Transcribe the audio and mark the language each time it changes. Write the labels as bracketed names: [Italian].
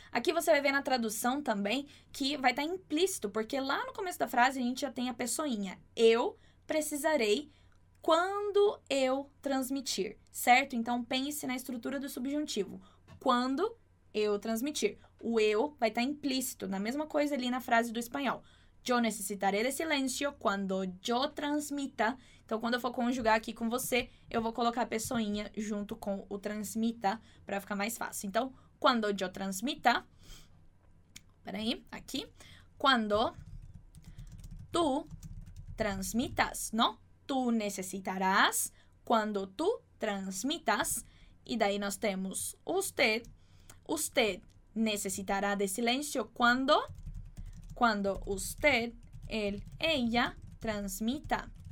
[Portuguese] Aqui você vai ver na tradução também que vai estar implícito, porque lá no começo da frase a gente já tem a pessoinha. Eu precisarei quando eu transmitir, certo? Então pense na estrutura do subjuntivo. Quando eu transmitir. O eu vai estar implícito, na mesma coisa ali na frase do espanhol. [Spanish] Yo necesitaré de silencio cuando yo transmita. [Portuguese] Então, quando eu for conjugar aqui com você, eu vou colocar a pessoinha junto com o transmita para ficar mais fácil. [Spanish] Então, cuando yo transmita, [Portuguese] peraí, aqui, [Spanish] cuando tú transmitas, ¿no? Tú necesitarás cuando tú transmitas. [Portuguese] E daí nós temos [Spanish] usted. Usted necesitará de silencio cuando usted, él, ella transmita.